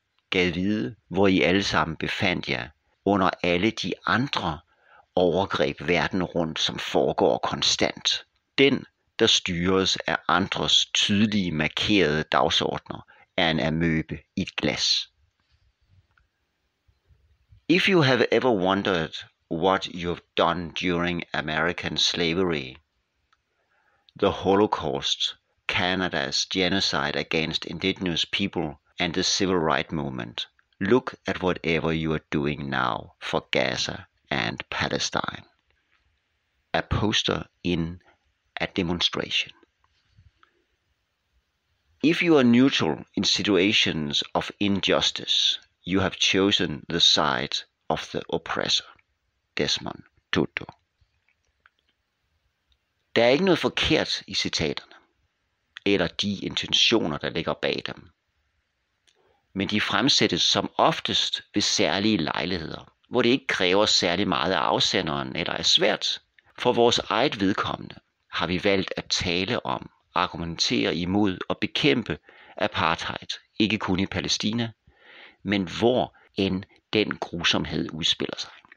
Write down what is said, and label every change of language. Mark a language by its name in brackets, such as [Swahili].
[Danish] Gad vide, hvor I alle sammen befandt jer under alle de andre overgreb verden rundt, som foregår konstant. Den, der styres af andres tydelige markerede dagsordner, er en amøbe i et glas. [English] If you have ever wondered what you've done during American slavery, the Holocaust, Canada's genocide against indigenous people, and the civil rights movement, look at whatever you are doing now for Gaza and Palestine. A poster in a demonstration. If you are neutral in situations of injustice, you have chosen the side of the oppressor, Desmond Tutu. [Danish] Der er ikke noget forkert i citaterne, eller de intentioner, der ligger bag dem. men de fremsættes som oftest ved særlige lejligheder, hvor det ikke kræver særlig meget af afsenderen eller er svært. For vores eget vedkommende har vi valgt at tale om, argumentere imod og bekæmpe apartheid, ikke kun i Palæstina, men hvor end den grusomhed udspiller sig.